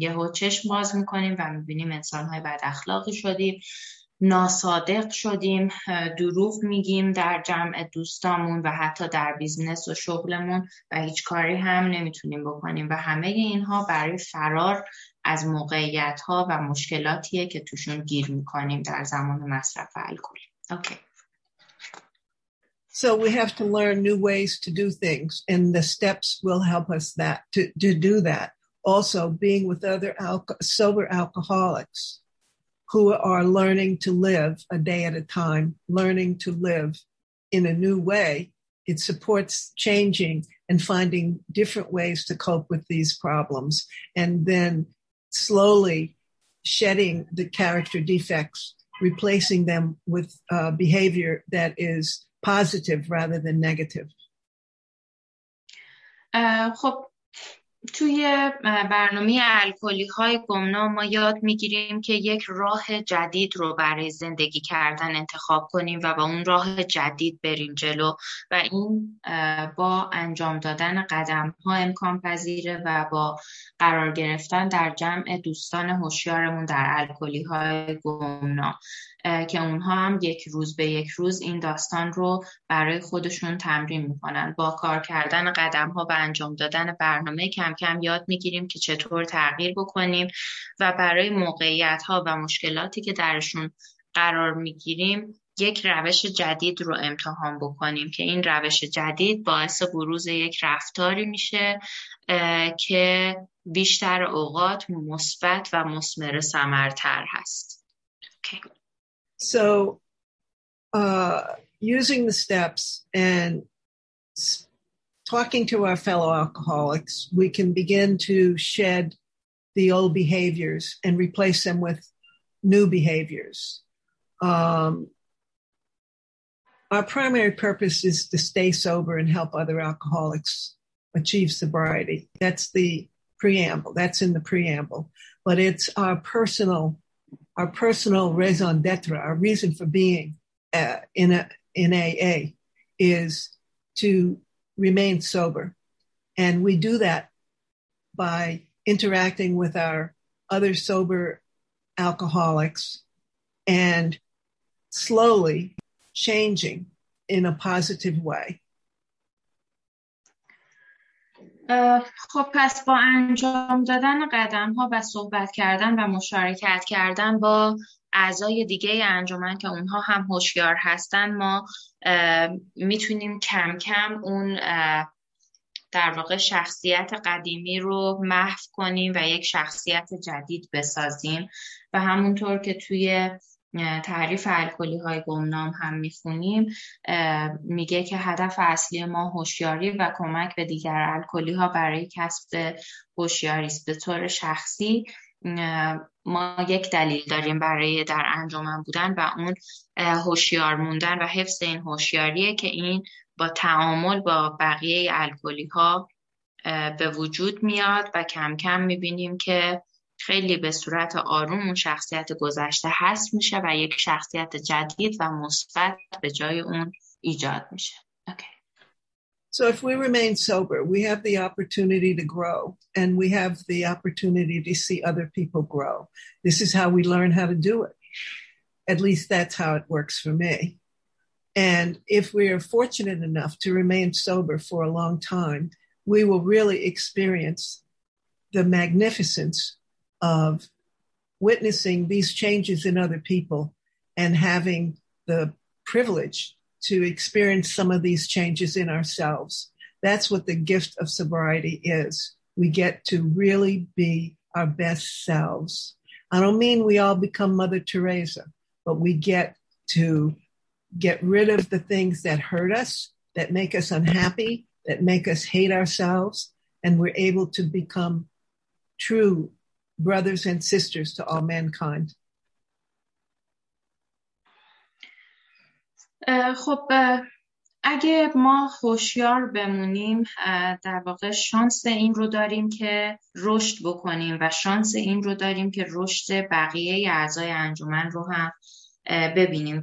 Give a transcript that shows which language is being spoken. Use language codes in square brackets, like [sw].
[fa] یهو چشم باز میکنیم و میبینیم انسانهای بد اخلاقی شدیم، ناصادق شدیم، دروغ میگیم در جمع دوستامون و حتی در بیزنس و شغلمون و هیچ کاری هم نمیتونیم بکنیم و همه اینها برای فرار از موقعیت ها و مشکلاتیه که توشون گیر میکنیم در زمان مصرف الکل. [en] Okay. So we have to learn new ways to do things, and the steps will help us that to do that. Also being with other sober alcoholics who are learning to live a day at a time, learning to live in a new way. It supports changing and finding different ways to cope with these problems, and then slowly shedding the character defects, replacing them with behavior that is positive rather than negative. [fa] خب توی برنامه الکلی‌های گمنام ما یاد می‌گیریم که یک راه جدید رو برای زندگی کردن انتخاب کنیم و با اون راه جدید بریم جلو و این با انجام دادن قدم‌ها امکان پذیره و با قرار گرفتن در جمع دوستان هوشیارمون در الکلی‌های گمنام که اونها هم یک روز به یک روز این داستان رو برای خودشون تمرین میکنن. با کار کردن قدم ها و انجام دادن برنامه کم کم یاد میگیریم که چطور تغییر بکنیم و برای موقعیت ها و مشکلاتی که درشون قرار میگیریم یک روش جدید رو امتحان بکنیم که این روش جدید باعث بروز یک رفتاری میشه که بیشتر اوقات مثبت و مثمر ثمرتر هست. [en] Okay. So using the steps and talking to our fellow alcoholics, we can begin to shed the old behaviors and replace them with new behaviors. Our primary purpose is to stay sober and help other alcoholics achieve sobriety. That's the preamble. That's in the preamble. But it's our personal raison d'etre, our reason for being in AA, is to remain sober. And we do that by interacting with our other sober alcoholics and slowly changing in a positive way. [fa] خب پس با انجام دادن قدم ها و صحبت کردن و مشارکت کردن با اعضای دیگه انجمن که اونها هم هوشیار هستن، ما میتونیم کم کم اون در واقع شخصیت قدیمی رو محو کنیم و یک شخصیت جدید بسازیم. و همونطور که توی تعریف الکلی های گمنام هم میخونیم، میگه که هدف اصلی ما هوشیاری و کمک به دیگر الکلی ها برای کسب هوشیاری است. به طور شخصی ما یک دلیل داریم برای در انجمن بودن و اون هوشیار موندن و حفظ این هوشیاریه که این با تعامل با بقیه الکلی ها به وجود میاد و کم کم میبینیم که خیلی به صورت آروم اون شخصیت گذشته هست میشه و یک شخصیت جدید و مثبت به جای اون ایجاد میشه. [en] Okay. So if we remain sober, we have the opportunity to grow and we have the opportunity to see other people grow. This is how we learn how to do it. At least that's how it works for me. And if we are fortunate enough to remain sober for a long time, we will really experience the magnificence of witnessing these changes in other people and having the privilege to experience some of these changes in ourselves. That's what the gift of sobriety is. We get to really be our best selves. I don't mean we all become Mother Teresa, but we get to get rid of the things that hurt us, that make us unhappy, that make us hate ourselves, and we're able to become true brothers and sisters to all mankind. [fa] خب اگه ما هوشیار بمونیم، در واقع شانس این رو داریم که رشد بکنیم و شانس این رو داریم که رشد بقیه اعضای انجمن رو هم ببینیم.